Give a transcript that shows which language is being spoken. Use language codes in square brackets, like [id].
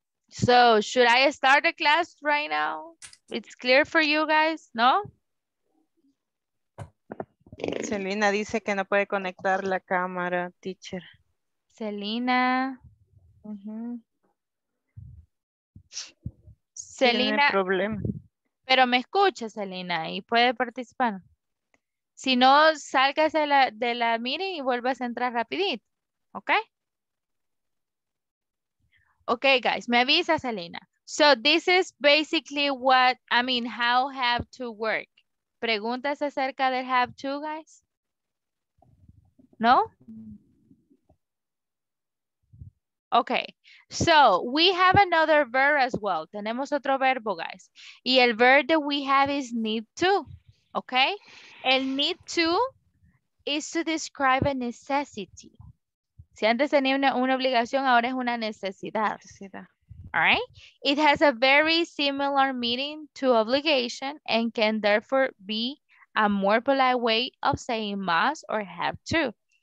[en] So, should I start the class right now? It's clear for you guys, no? [es] Selena dice que no puede conectar la cámara, teacher. Selena. Mm-hmm. Selena. ¿Tiene problema? Pero me escucha, Selena, y puede participar. Si no, salgas de la meeting y vuelvas a entrar rapidito. ¿Ok? Ok, guys, me avisa, Selena. [en] So, this is basically how have to work. [es] ¿Preguntas acerca del have to, guys? ¿No? [en] Ok. So, we have another verb as well. [es] Tenemos otro verbo, guys. [en] Y el verb that we have is need to, okay? El need to is to describe a necessity. [es] Si antes tenía una obligación, ahora es una necesidad. [en] All right? It has a very similar meaning to obligation and can therefore be a more polite way of saying must or have to.